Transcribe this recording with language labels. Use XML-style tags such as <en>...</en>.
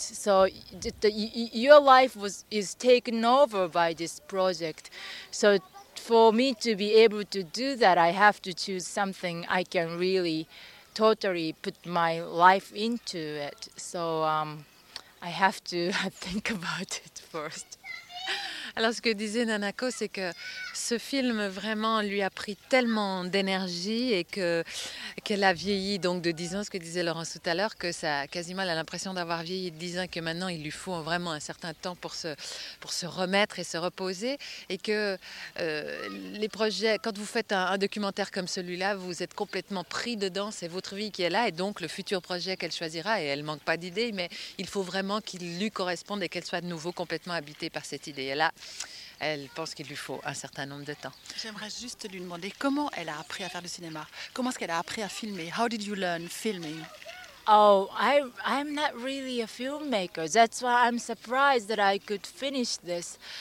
<en>So your life is taken over by this project. So for me to be able to do that, I have to choose something I can really totally put my life into it. So I have to think about it first.</en> <fr>Alors, ce que disait Nanako, c'est que ce film vraiment lui a pris tellement d'énergie et que qu'elle a vieilli donc de 10 ans, ce que disait Laurence tout à l'heure, que ça quasiment elle a l'impression d'avoir vieilli de 10 ans, que maintenant il lui faut vraiment un certain temps pour se remettre et se reposer, et que les projets, quand vous faites un documentaire comme celui-là, vous êtes complètement pris dedans, c'est votre vie qui est là, et donc le futur projet qu'elle choisira, et elle manque pas d'idées, mais il faut vraiment qu'il lui corresponde et qu'elle soit de nouveau complètement habitée par cette idée. Et là, elle pense qu'il lui faut un certain nombre de temps. J'aimerais juste lui demander comment elle a appris à faire du cinéma. Comment est-ce qu'elle a appris à filmer?</fr> <en>How did you learn filming? Oh, I'm not really a filmmaker. That's why I'm surprised that I could finish this.</en>